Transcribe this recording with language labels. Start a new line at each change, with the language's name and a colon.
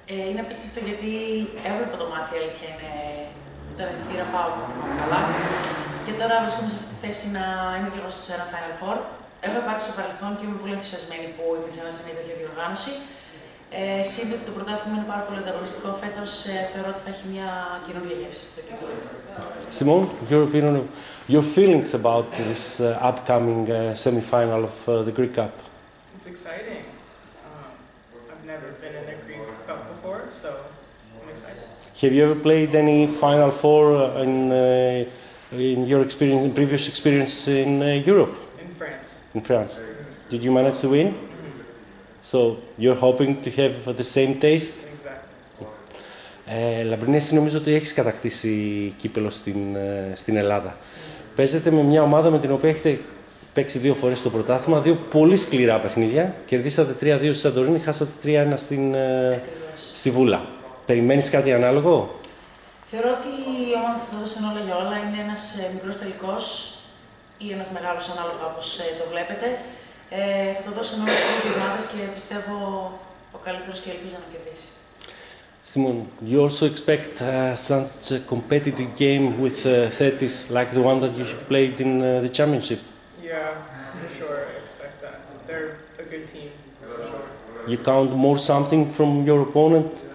Greek: Είναι απίστευτο γιατί έβλεπα το μάτσι, η αλήθεια είναι. Ήταν η θύρα, πάω το θυμάμαι καλά. Και τώρα βρίσκομαι σε αυτή τη θέση να είμαι κι εγώ σε ένα Final Four. Έχω υπάρξει στο παρελθόν και είμαι πολύ ενθουσιασμένη που είμαι σε μια τέτοια διοργάνωση. Σύντομα το πρωτάθλημα είναι πάρα πολύ ανταγωνιστικό φέτος. Θεωρώ ότι θα έχει μια καινούργια γεύση αυτό και πολύ.
English: Σιμόν, your feelings about this upcoming semi-final of the Greek Cup? It's exciting. I've never been in a Greek Cup before, so I'm excited. Have you ever played any Final Four in your experience, in previous experience in Europe? In France. In France. Did you manage to win? So you're hoping to have the same taste?
Greek: Λαμπρινή, εσύ νομίζω ότι έχεις κατακτήσει κύπελλο στην Ελλάδα. Παίζετε με μια ομάδα με την οποία έχετε παίξει δύο φορές το πρωτάθλημα, δύο πολύ σκληρά παιχνίδια. Κερδίσατε 3-2 στη Σαντορίνη, χάσατε 3-1 στη Βούλα. Περιμένεις κάτι ανάλογο? Θεωρώ ότι η ομάδα θα δώσουν όλα για όλα. Είναι ένας μικρός τελικός ή ένας μεγάλος ανάλογα όπως το βλέπετε. Θα το δώσουν όλα για δύο ομάδες και πιστεύω ο καλύτερος και ελπίζω να κερδίσει.
English: Σιμόν, you also expect such a competitive game with Thetis like the one that you have played in the championship? Yeah, for sure, I expect that. They're a good team, for sure. You count more something from your opponent?